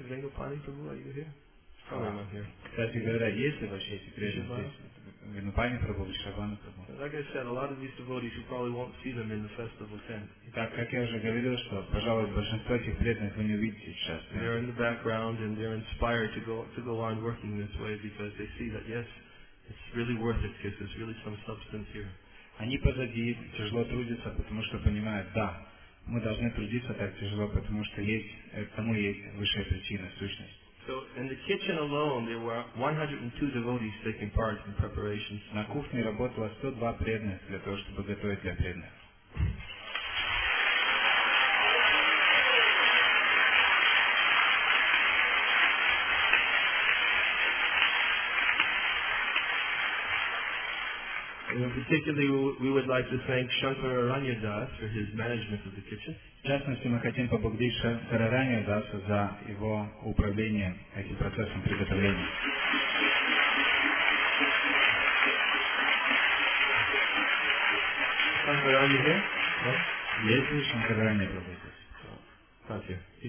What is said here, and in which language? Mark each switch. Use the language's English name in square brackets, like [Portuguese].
[English] Venupani Prabhu, are you here? Like I said, a lot of these devotees, you probably won't see them in the festival tent. They're in the background and they're inspired to go on working this way because they see that, yes, it's really worth it because there's really some substance here. [Russian] Они позади, тяжело трудятся, потому что понимают, да, мы должны трудиться так тяжело, потому что есть, тому есть высшая причина, сущность. [English] So in the kitchen alone, there were 102 devotees taking part in preparations. [Russian] На кухне работало 102 преданных для того, чтобы готовить для преданных. [English] And in particular, we would like to thank Shankararanya Das for his management of the kitchen. [Russian] В частности, мы хотим поблагодарить Шанкарараню Дасу за его управление этим процессом приготовления. Шанкарараня здесь? Да. Есть ли Шанкарараня здесь? Кстати,